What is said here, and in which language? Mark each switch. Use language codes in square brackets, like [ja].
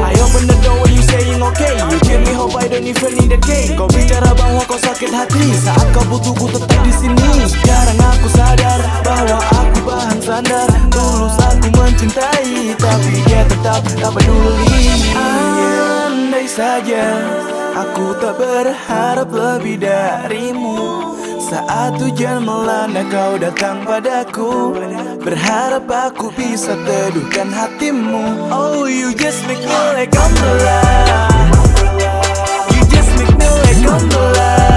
[en] I open the door when you saying okay. You give me hope, I don't even need a cake. [id] Kau bicara bahwa kau sakit hati. Saat kau butuh ku tetap di sini. Sekarang aku sadar bahwa aku bahan sandar. Tulus aku mencintai, tapi dia tetap tak peduli. Andai saja aku tak berharap lebih darimu. Saat hujan melanda kau datang padaku. Berharap aku bisa teduhkan hatimu. [en] Oh, you just make me like umbrella. You just make me like umbrella.